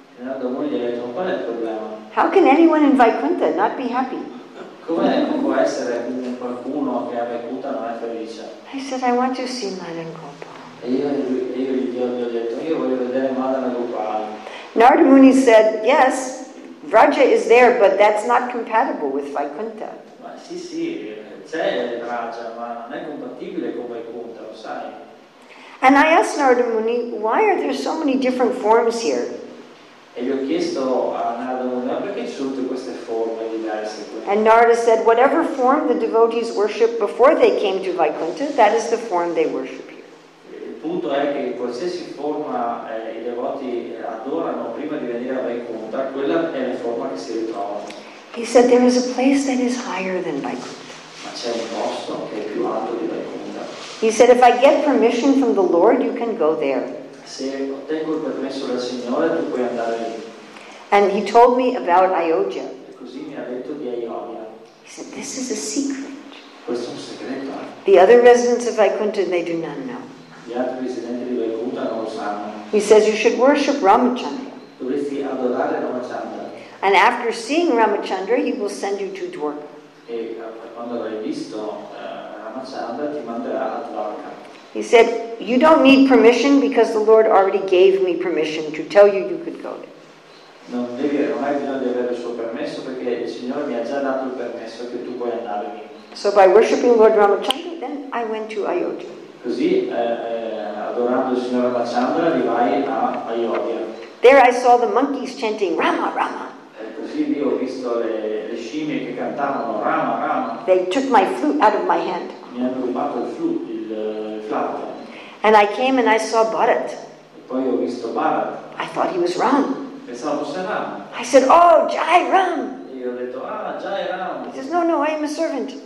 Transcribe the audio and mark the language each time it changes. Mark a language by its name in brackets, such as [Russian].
[Italian] E Narada Muni gli ha detto, qual è il problema? [English] How can anyone in Vaikuntha not be happy? [Italian] Come può essere qualcuno che a Vaikuntha non è felice? [English] I said, I want to see Madan Gopal. [Italian] E io gli ho detto, io voglio vedere Madan Gopal. [English] Narada Muni said, yes, Vraja is there, but that's not compatible with Vaikuntha. [Italian] Ma sì, sì. C'è Vraja, ma non è compatibile con Vaikuntha, lo sai. [English] And I asked Narada Muni, why are there so many different forms here? [Italian] E gli ho chiesto a Narada Muni, perché ci sono queste forme diverse qui? [English] And Narada said, whatever form the devotees worship before they came to Vaikuntha, that is the form they worship here. [Italian] punto è che in qualsiasi forma i devoti adorano prima di venire a Vaikuntha, quella è la forma che si ritrovano. [English] He said there is a place that is higher than Vaikuntha. [Italian] Ma c'è un posto che è più alto di Vaikuntha. [English] He said if I get permission from the Lord, you can go there. [Italian] Se ottengo il permesso dal Signore, tu puoi andare lì. [English] And he told me about Ayodhya. [Italian] E così mi ha detto di Ayodhya. [English] He said this is a secret. [Italian] Questo è un segreto. [English] The other residents of Vaikuntha, they do not know. [Italian] Gli altri residenti di Vaikuntha non lo sanno. [English] He says you should worship Ramachandra. [Italian] Dovresti adorare Ramachandra. [English] And after seeing Ramachandra, he will send you to Dwarka. [Italian] E quando l'hai visto Ramachandra ti manderà a Dwarka. [English] He said you don't need permission because the Lord already gave me permission to tell you you could go there. [Italian] Non hai bisogno di avere il suo permesso perché il Signore mi ha già dato il permesso che tu puoi andare lì. [English] So by worshiping Lord Ramachandra, then I went to Ayodhya. [Italian] Così, adorando il Signore Ramachandra, arrivai a Ayodhya. [English] There I saw the monkeys chanting Rama Rama. [Italian] Così lì ho visto le scimmie che cantavano Rama Rama. [English] They took my flute out of my hand. [Italian] Mi hanno rubato il flauto. [English] And I came and I saw Bharat. [Italian] E poi ho visto Bharat. [English] I thought he was Ram. [Italian] Pensavo fosse Ram. [English] I said, oh, Jai Ram. [Italian] Ho detto, ah, [English] Jai Ram. He says, no, I am a servant.